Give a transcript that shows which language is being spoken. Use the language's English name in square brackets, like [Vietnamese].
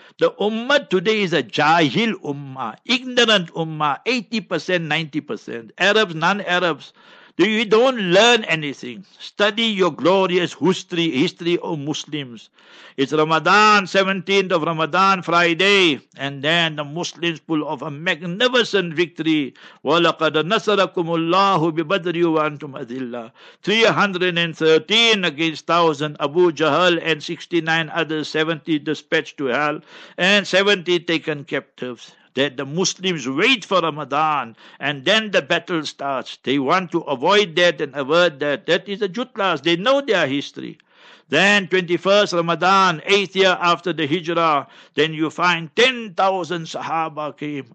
[English] The ummah today is a jahil ummah, ignorant ummah, 80%, 90%. Arabs, non-Arabs, you don't learn anything. Study your glorious history of Muslims. It's Ramadan, 17th of Ramadan, Friday. And then the Muslims pull off a magnificent victory. [Arabic] وَلَقَدَ نَصَرَكُمُ اللَّهُ بِبَدْرِيُ وَأَنْتُمْ أَذِلَّ [English] 313 against 1,000. Abu Jahl and 69 others, 70 dispatched to hell, and 70 taken captives. That the Muslims wait for Ramadan and then the battle starts. They want to avoid that and avert that. That is the jutlas. They know their history. Then 21st Ramadan, 8th year after the Hijrah, then you find 10,000 Sahaba came.